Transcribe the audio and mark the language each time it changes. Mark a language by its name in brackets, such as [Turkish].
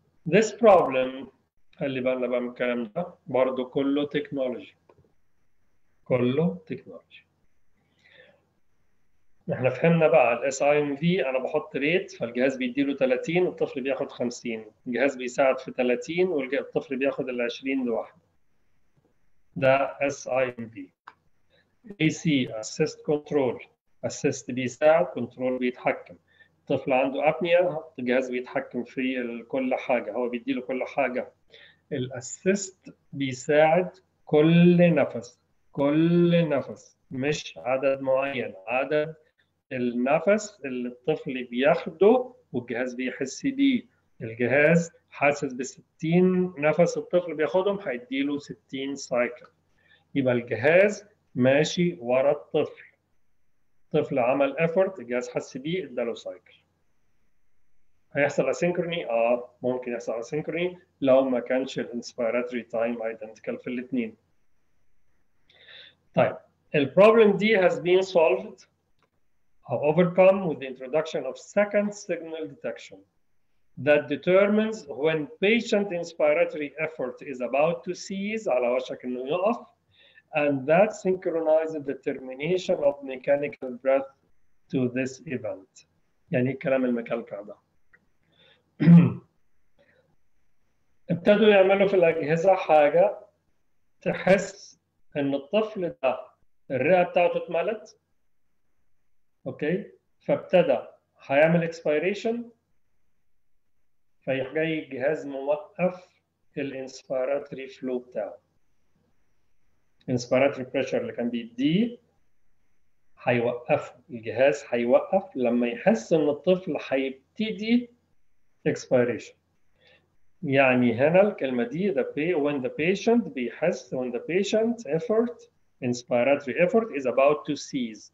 [English] This problem [Arabic] اللي بقى بنتكلم ده برضو كله تكنولوجي، كله تكنولوجي. احنا فهمنا بقى الـ SIMV، انا بحط ريت فالجهاز بيديله 30 والطفل بياخد 50، الجهاز بيساعد في 30 والطفل بياخد ال 20 لوحده، ده SIMV. [English] AC assist control، assist [Arabic] بيساعد، [English] control [Arabic] بيتحكم. الطفل عنده apnea، الجهاز بيتحكم في كل حاجة، هو بيديله كل حاجة. الassist بيساعد كل نفس، كل نفس مش عدد معين، عدد النفس اللي الطفل بياخده والجهاز بيحس بيه. الجهاز حاسس بستين نفس الطفل بياخدهم، هيديله 60 سايكل. يبقى الجهاز ماشي ورا الطفل، الطفل عمل effort، الجهاز حس بيه، اداله سايكل. هيحصل asynchrony؟ ممكن يحصل asynchrony لو ما كانش الانسبيراتوري تايم identical في الاثنين. طيب البروبلم دي [English] has been solved or overcome with the introduction of second signal detection that determines when patient inspiratory effort is about to cease [Arabic] على وشك انه يقف, [English] and that synchronizes the termination of mechanical breath to this event. [Arabic] يعني كلام المكالكة ده. ابتدوا يعملوا في الأجهزة حاجة تحس ان الطفل ده الرئة بتاعته اتملت، اوكي، فابتدى هيعمل expiration، فيجي الجهاز موقف الانسبيراتوري فلو بتاعه. الانسبيراتوري بريشر اللي كان بيديه هيوقف، الجهاز هيوقف لما يحس ان الطفل هيبتدي expiration. يعني هنا الكلمة دي [English] when the patient [Arabic] بيحس [English] when the patient effort inspiratory effort is about to cease.